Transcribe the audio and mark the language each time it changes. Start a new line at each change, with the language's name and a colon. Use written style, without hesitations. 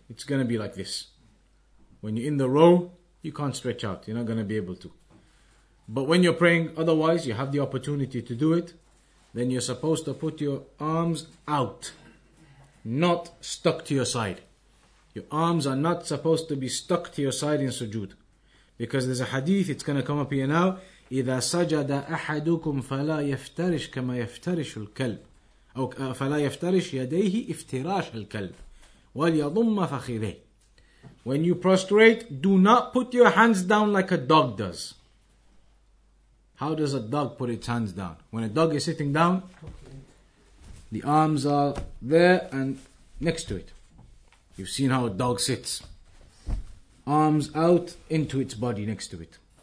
English: It's going to be like this. When you're in the row, you can't stretch out. You're not going to be able to. But when you're praying otherwise, you have the opportunity to do it, then you're supposed to put your arms out, not stuck to your side. Your arms are not supposed to be stuck to your side in sujood. Because there's a hadith, it's going to come up here now,
Arabic: إِذَا سَجَدَ أَحَدُكُمْ فَلَا يَفْتَرِشْ كَمَا يَفْتَرِشُ الْكَلْبِ فَلَا يَفْتَرِشْ يَدَيْهِ افْتِرَاشَ الْكَلْبِ وَلْيَضُمَّ فَخِذَيْهِ.
English: When you prostrate, do not put your hands down like a dog does. How does a dog put its hands down? When a dog is sitting down, the arms are there and next to it. You've seen how a dog sits. Arms out into its body next to it.